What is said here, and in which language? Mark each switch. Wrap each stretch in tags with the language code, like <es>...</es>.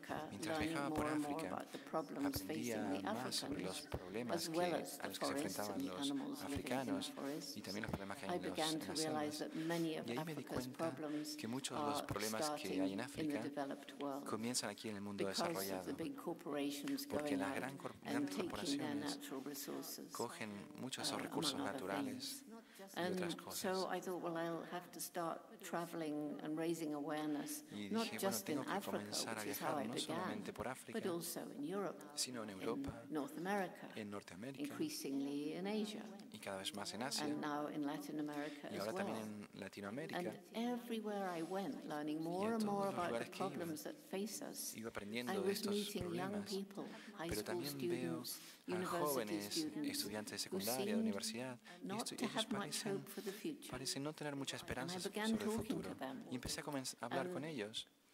<es>Mientras viajaba por África, aprendía más sobre los problemas a los que se enfrentaban los africanos y también los problemas que hay en las selvas. Y ahí me di cuenta que muchos de los problemas que hay en África comienzan aquí en el mundo desarrollado, porque las grandes corporaciones cogen muchos de esos recursos naturales.</es> <en>And so I thought, well, I'll have to start traveling and raising awareness, not just in Africa, which is how I began, but also in Europe,</en> <es>sino en Europa,</es> <en>in North America,</en> <es>en Norteamérica,</es> <en>increasingly in Asia,</en> <es>y cada vez más en Asia,</es> <en>and now in Latin America</en> <es>y ahora</es> <en>as well.</en> <es>También en Latinoamérica.</es> <en>And everywhere I went, learning more and more about the problems that face us, I was meeting</en> <es>problemas,</es> <en>young people, high school students,</en> <es>a jóvenes, estudiantes de secundaria, de universidad, y ellos parecen no tener mucha esperanza sobre el futuro. Y empecé a hablar con ellos.</es>